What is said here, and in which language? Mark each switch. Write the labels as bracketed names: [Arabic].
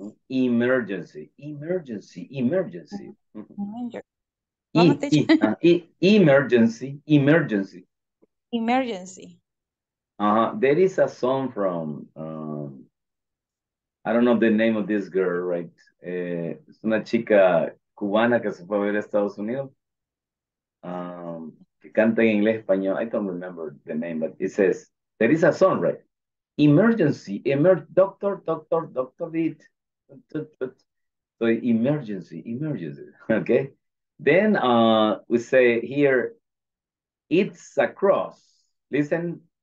[English] Emergency. Emergency. Emergency. Emergency. Emergency. Emergency. There is a song from, I don't know the name of this girl, right? [Spanish] Es una chica cubana que se fue a ver a Estados Unidos. Que canta en inglés, español. [English] I don't remember the name, but it says, there is a song, right? Emergency, doctor, doctor, doctor, it. So emergency, emergency, okay? Then we say here, it's across. Listen.